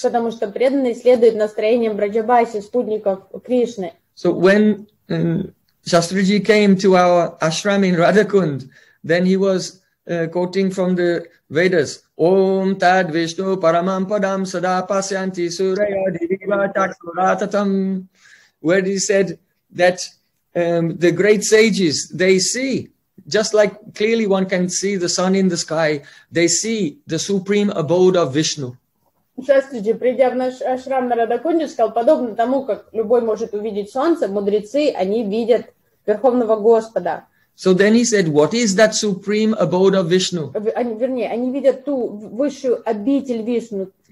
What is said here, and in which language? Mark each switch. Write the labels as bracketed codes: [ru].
[ru] Потому что преданный следует настроениям Браджабаси, спутников Кришны. [en] So when Shastriji came to our ashram in Radhakund, then he was quoting from the Vedas, [sa] Om Tad Vishnu Paramam Padam Sada Pasyanti Suraya Diva Takuratatam, [en] where he said that the great sages, they see, just like clearly one can see the sun in the sky, they see the supreme abode of Vishnu. [ru] Шастриджи, придя в наш ашрам на Радакунде, сказал, подобно тому, как любой может увидеть солнце, мудрецы, они видят Верховного Господа. [en] So then he said, what is that supreme abode of Vishnu? [ru] Они видят ту высшую обитель Вишну.